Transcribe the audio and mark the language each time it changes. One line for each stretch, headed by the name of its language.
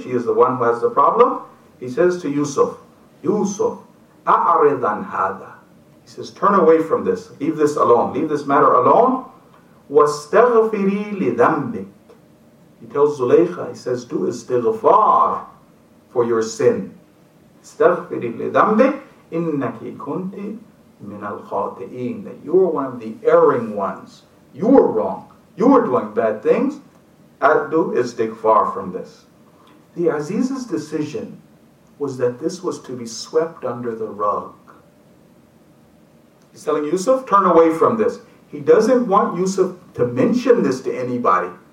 English: She is the one who has the problem. He says to Yusuf, Yusuf,
Arabic: أعرض عن هذا.
English: He says, turn away from this. Leave this alone. Leave this matter alone.
Arabic: واستغفري لذنبك.
English: He tells Zulaykha, he says, do istighfar for your sin.
Arabic: استغفري لذنبك إنك كنت من الخاطئين.
English: That you are one of the erring ones. You are wrong. You are doing bad things. Do istighfar from this. The Aziz's decision was that this was to be swept under the rug. He's telling Yusuf, turn away from this. He doesn't want Yusuf to mention this to anybody.